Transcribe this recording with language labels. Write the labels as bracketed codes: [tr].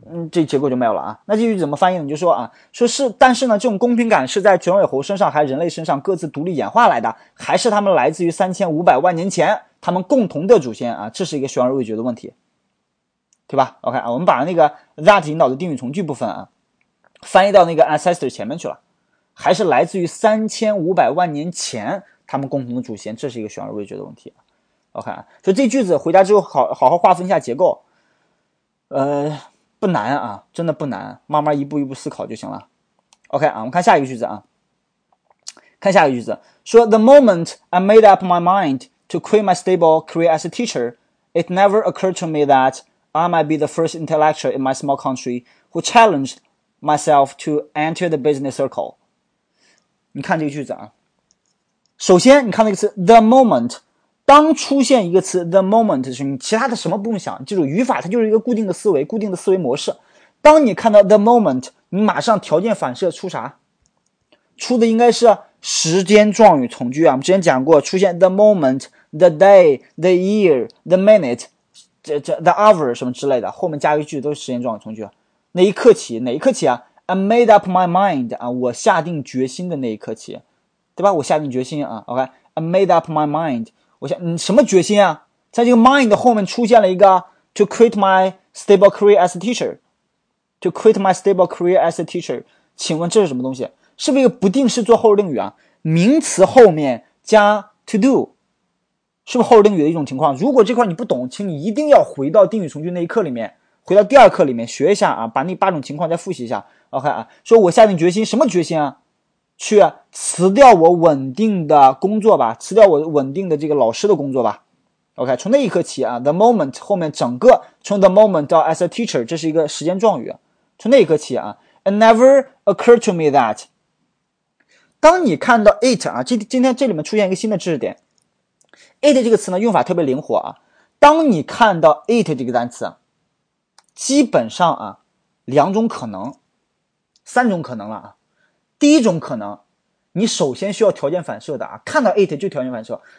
[zh] 这结果就没有了啊。那这句怎么翻译呢？你就说啊，说是，但是呢，这种公平感是在卷尾猴身上还是人类身上各自独立演化来的，还是他们来自于3500万年前他们共同的祖先啊？这是一个悬而未决的问题，对吧 ？OK 啊，我们把那个 that 引导的定语从句部分啊，翻译到那个 ancestor 前面去了，还是来自于3500万年前他们共同的祖先，这是一个悬而未决的问题。 OK 啊，所以这句子回家之后好好划分一下结构，不难啊，真的不难，慢慢一步一步思考就行了。OK 啊，我们看下一个句子啊，看下一个句子，说 [en] The moment I made up my mind to quit my stable career as a teacher, it never occurred to me that I might be the first intellectual in my small country who challenged myself to enter the business circle. [zh] 你看这个句子啊，首先你看那个词 The moment， 当出现一个词 The moment 的时候，你其他的什么不用想，记住语法它就是一个固定的思维，固定的思维模式。当你看到 The moment， 你马上条件反射出啥？出的应该是时间状语从句啊。我们之前讲过，出现 The moment， The day， The year， The minute，这 the hour 什么之类的，后面加一句都是时间状语从句。哪一刻起啊 ？ [en] I made up my mind [zh] 啊，我下定决心的那一刻起，对吧？我下定决心啊 ，OK， [en] I made up my mind， [zh] 我想什么决心啊？在这个 mind 后面出现了一个 [en] to quit my stable career as a teacher， [zh] to quit my stable career as a teacher， 请问这是什么东西？是不是一个不定式做后定语啊？名词后面加 to do。是不是后定语的一种情况？如果这块你不懂，请你一定要回到定语从句那一课里面，回到第二课里面学一下啊，把那八种情况再复习一下。 OK 啊，说我下定决心，什么决心啊？去辞掉我稳定的工作吧，辞掉我稳定的这个老师的工作吧。 OK， 从那一刻起啊 ，the moment 后面整个从 the moment 到 as a teacher， 这是一个时间状语。从那一刻起啊 ， [en] it never occurred to me that。 [zh] 当你看到 it 啊，今天这里面出现一个新的知识点。 it 这个词呢用法特别灵活啊，当你看到 it 这个单词，基本上啊两种可能，三种可能了啊。第一种可能，你首先需要条件反射的啊，看到 it 就条件反射。